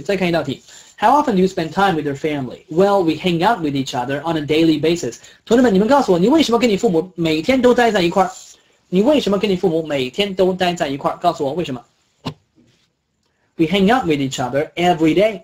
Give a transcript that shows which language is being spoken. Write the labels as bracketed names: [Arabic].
[Chinese] 再看一道题 [English] ，How often do you spend time with your family? Well, we hang out with each other on a daily basis. [Chinese] 同学们，你们告诉我，你为什么跟你父母每天都待在一块儿？你为什么跟你父母每天都待在一块儿？告诉我为什么 [English] ？We hang out with each other every day.